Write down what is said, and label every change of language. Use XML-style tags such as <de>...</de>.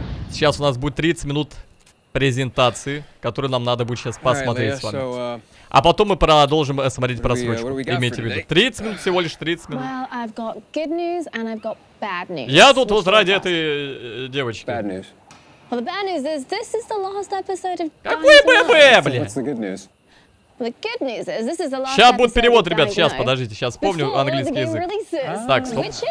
<ru>Сейчас у нас будет 30 минут презентации, которую нам надо будет сейчас посмотреть с вами. А потом мы продолжим смотреть просрочку. Имейте в виду. 30 минут, всего лишь 30 минут.</ru> <en>Well, I've got good news and I've got bad news.</en> <ru>Я тут вот ради этой девочки.</ru> <en>Bad news. Well, the bad news is this is the last episode of.</en> <ru>Какой ББ, блин? Сейчас будет перевод, ребят, сейчас, подождите, сейчас вспомню английский язык. Так, стоп.</ru>